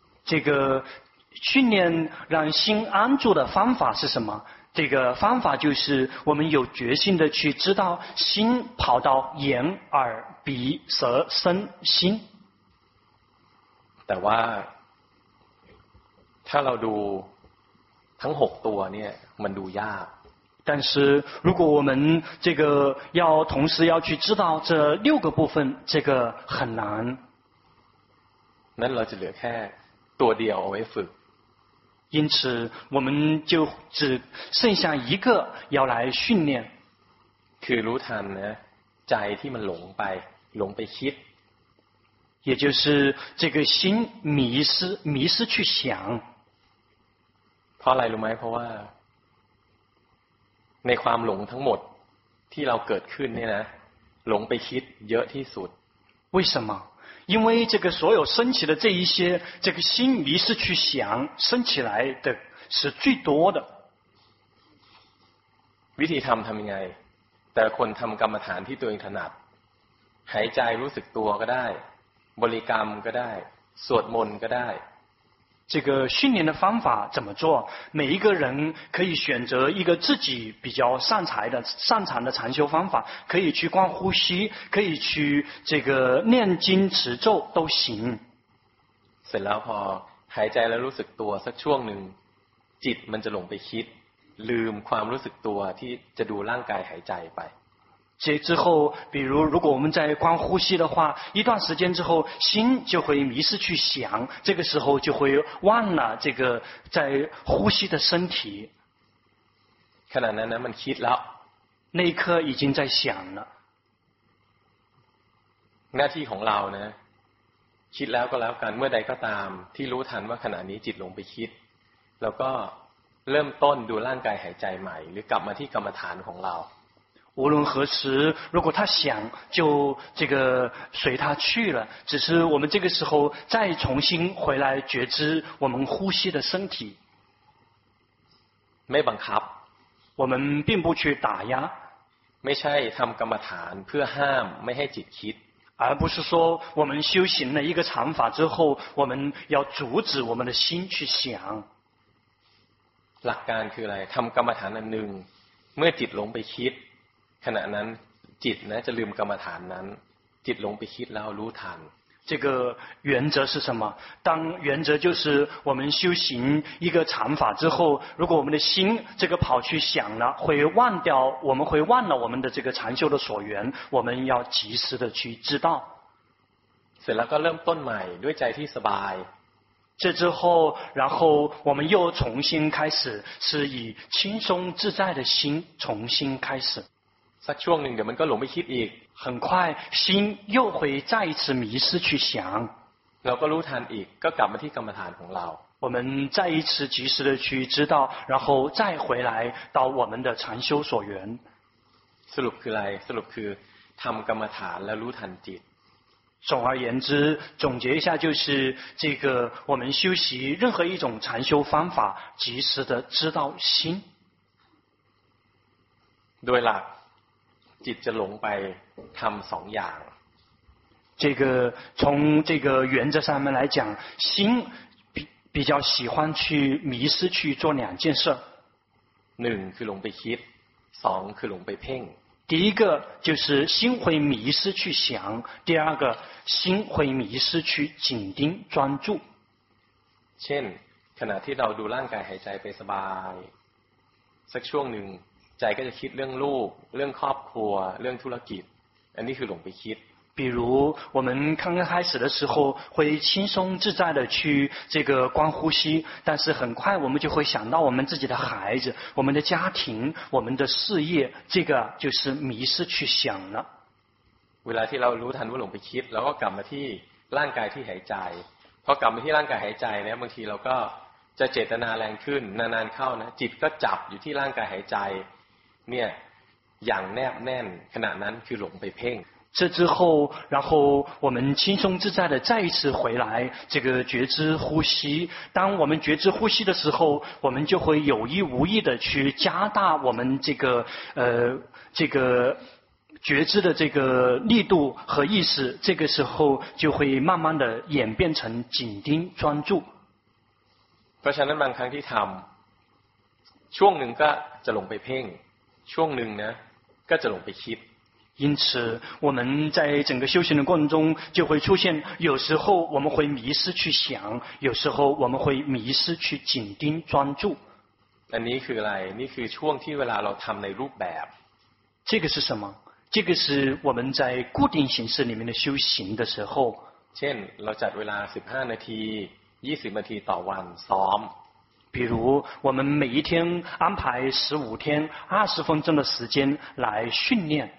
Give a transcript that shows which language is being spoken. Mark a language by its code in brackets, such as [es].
[zh] 这个训练让心安住的方法是什么？这个方法就是我们有决心的去知道心跑到眼耳鼻舌身心。 [th] แต่ว่าถ้าเราดูทั้ง6ตัวเนี่ยมันดูยาก。 [zh] 但是如果我们这个要同时要去知道这六个部分，这个很难。 [th] นั้นเราจะเหลือแค่ตัวเดียวเอาไว้ฝึก。 [zh] 因此我们就只剩下一个要来训练。 [th] คือรู้ทันนะใจที่มันหลงไปหลงไปคิด。 [zh] 也就是这个心迷失去想。 [th] เพราะอะไรรู้ไหมเพราะว่าในความหลงทั้งหมดที่เราเกิดขึ้นเนี่ยนะหลงไปคิดเยอะที่สุด。 [zh] 为什么？因为这个所有升起的这一些，这个心迷失去想升起来的是最多的。 [th] วิธีทำทำยังไงแต่คนทำกรรมฐานที่ตัวเองถนัดหายใจรู้สึกตัวก็ได้บริกรรมก็ได้สวดมนต์ก็ได้ [zh] 这个训练的方法怎么做？每一个人可以选择一个自己比较擅长的禅修方法，可以去观呼吸，可以去这个念经持咒都行。 [th] เสร็จแล้วพอหายใจแล้วรู้สึกตัวสักช่วงหนึ่งจิตมันจะหลงไปคิดลืมความรู้สึกตัวที่จะดูร่างกายหายใจไป。 [zh] 这之后比如果我们在观呼吸的话，一段时间之后心就会迷失去想，这个时候就会忘了这个在呼吸的身体。 [th] ขณะนั้นมันคิดแล้ว， [zh] 那一刻已经在想了。 [th] หน้าที่ของเรานะคิดแล้วก็แล้วกันเมื่อใดก็ตามที่รู้ทันว่าขณะนี้จิตลงไปคิดแล้วก็เริ่มต้นดูร่างกายหายใจใหม่หรือกลับมาที่กรรมฐานของเรา。 [zh] 无论何时，如果他想，就这个随他去了。只是我们这个时候再重新回来觉知我们呼吸的身体。没办法，我们并不去打压。 [th] 没ใช่ทำกรรมฐานเพื่อห้ามไม่ให้จิตคิด， [zh] 而不是说我们修行了一个禅法之后，我们要阻止我们的心去想。 [th] หลักการคืออะไร？ ทำกรรมฐานอันหนึ่งเมื่อจิตหลงไปคิดขณะนั้นจิตนะจะลืมกรรมฐานนั้นจิตหลงไปคิดแล้วรู้ทัน [zh] 这个原则是什么？当原则就是我们修行一个禅法之后，如果我们的心这个跑去想了，会忘掉，我们会忘了我们的这个禅修的所缘，我们要及时的去知道。 [th] เสร็จแล้วก็เริ่มต้นใหม่ด้วยใจที่สบาย。 [zh] 这之后，然后我们又重新开始，是以轻松自在的心重新开始。 [th] สักช่วงหนึ่งเดี๋ยวมันก็หลงไปคิดอีก [zh] 很快心又会再一次迷失去想 [th] เราก็รู้ทันอีกก็กลับมาที่กรรมฐานของเรา [zh] 我们再一次及时的去知道然后再回来到我们的禅修所缘 [th] สรุปคืออะไรสรุปคือทำกรรมฐานแล้วรู้ทันจิต [zh] 总而言之总结一下就是这个我们修习任何一种禅修方法及时的知道心 [th] ด้วยล่ะจิตจะหลงไปทำสองอย่าง [zh] 这个从这个原则上面来讲心比较喜欢去迷失去做两件事 [th] หนึ่งคือหลงไปคิดสองคือหลงไปเพ่ง [zh] 第一个就是心会迷失去想第二个心会迷失去紧盯专注 [th] เช่นขณะที่เราดูร่างกายหายใจไปสบายสักช่วงหนึ่งใจก็จะคิดเรื่องลูกเรื่องครอบครัวเรื่องธุรกิจอันนี้คือหลงไปคิด [zh] 比如我们刚刚开始的时候会轻松自在的去这个观呼吸但是很快我们就会想到我们自己的孩子我们的家庭我们的事业这个就是迷失去想了 [th] เวลาที่เรารู้ทันว่าหลงไปคิดเราก็กลับมาที่ร่างกายที่หายใจพอกลับมาที่ร่างกายหายใจเนี่ยบางทีเราก็จะเจตนาแรงขึ้นนานๆเข้านะจิตก็จับอยู่ที่ร่างกายหายใจเนี่ยอย่างแนบแน่นขณะนั้นคือหลงไปเพ่ง [zh] 这之后然后我们轻松自在的再一次回来这个觉知呼吸当我们觉知呼吸的时候我们就会有意无意的去加大我们这个这个觉知的这个力度和意识这个时候就会慢慢的演变成紧盯专注 [th] เพราะฉะนั้นบางครั้งที่ทำช่วงหนึ่งก็จะหลงไปเพ่งช่วงหนึ่งนะก็จะหลงไปคิด [zh] 因此我们在整个修行的过程中就会出现有时候我们会迷失去想有时候我们会迷失去紧盯专注 [th] อันนี้คืออะไรนี่คือช่วงที่เวลาเราทำในรูปแบบ [zh] 这个是什么这个是我们在固定形式里面的修行的时候 [th] เช่นเราจัดเวลา15นาที20นาทีต่อวันซ้อม [zh] 比如我们每一天安排15天20分钟的时间来训练